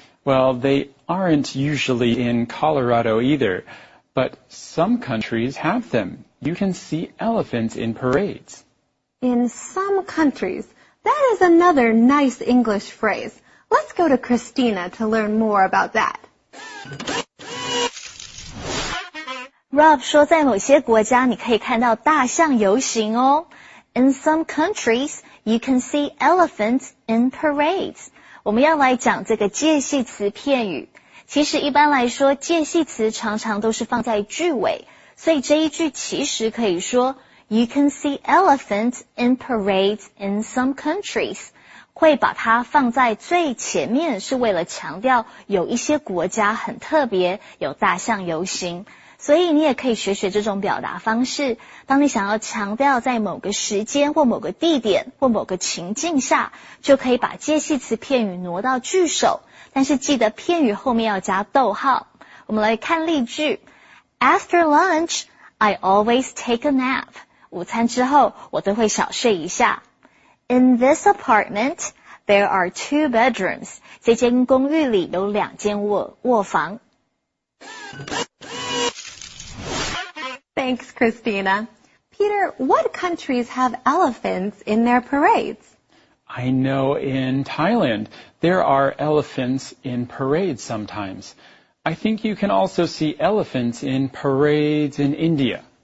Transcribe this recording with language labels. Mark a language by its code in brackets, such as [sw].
[en] Well, they aren't usually in Colorado either. But some countries have them. You can see elephants in parades. In some countries. That is another nice English phrase. Let's go to Christina to learn more about that. [zh] Rob 说在某些国家你可以看到大象游行哦。 [en] In some countries, you can see elephants in parades. [zh] 我们要来讲这个介系词片语。其实一般来说介系词常常都是放在句尾。所以这一句其实可以说 [en] You can see elephants in parades in some countries. [zh] 会把它放在最前面是为了强调有一些国家很特别有大象游行。所以你也可以学学这种表达方式。当你想要强调在某个时间或某个地点或某个情境下就可以把介系词片语挪到句首。但是记得片语后面要加逗号。我们来看例句。 [en] After lunch, I always take a nap. [zh] 午餐之后我都会小睡一下。 [en] In this apartment, there are two bedrooms. [zh] 这间公寓里有两间卧房。 [en] Thanks, Christina. Peter, what countries have elephants in their parades? I know in Thailand, there are elephants in parades sometimes. I think you can also see elephants in parades in India.